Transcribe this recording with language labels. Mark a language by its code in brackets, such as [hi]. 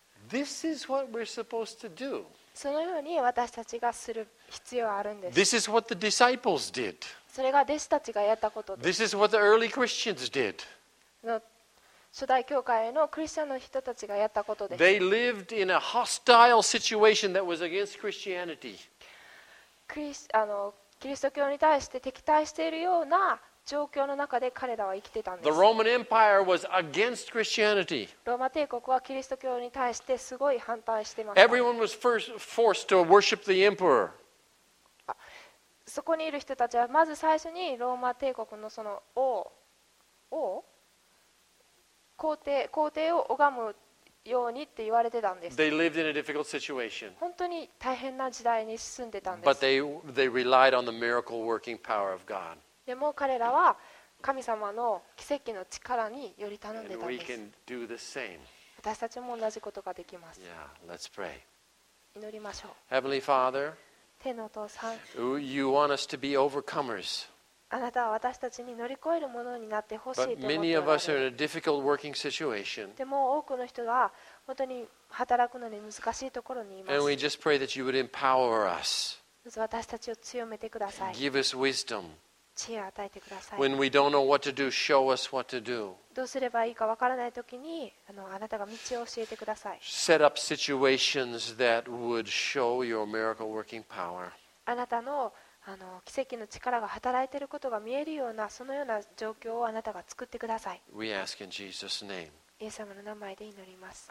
[en] This is what we're supposed to do. [ja] そのように私たちがする必要はあるんです。 [en] This is what the disciples did. [ja] それが弟子たちがやったことです。 [en] This is what the early Christians did. [ja] 初代教会のクリスチャンの人たちがやったことです。 [en] They lived in a hostile situation that was against Christianity. [ja] キリスト教に対して敵対しているような状況の中で彼らは生きていたんです。 [en] The Roman Empire was against Christianity. [ja] ローマ帝国はキリスト教に対してすごい反対していました [en] Everyone was forced to worship the emperor. [ja] そこにいる人たちはまず最初にローマ帝国のその王皇帝を拝むようにって言われてたんです。 [en] They lived in a difficult situation. [ja] 本当に大変な時代に住んでたんです。 [en] But they relied on the miracle working power of God. [ja] でも彼らは神様の奇跡の力により頼んでいたんです。私たちも同じことができます。 [en] yeah, let's pray. [ja] 祈りましょう。 [en] Heavenly Father, [ja] 天のお父さん、 [en] you want us to be overcomers. [ja] あなたは私たちに乗り越えるものになってほしいと思っておられる。 [en] But many of us are in a difficult working situation. [ja] でも多くの人が本当に働くのに難しいところにいます。 [en] And we just pray that you would empower us. [ja] 私たちを強めてください。 [en] Give us wisdom. [ja] 知恵を与えてください。 [en] When we don't know what to do, show us what to do. [ja] どうすればいいかわからないときに、あなたが道を教えてください。 [en] Set up situations that would show your miracle working power. [ja] あなたの、奇跡の力が働いていることが見えるようなそのような状況をあなたが作ってください。 [en] We ask in Jesus' name. [ja] イエス様の名前で祈ります。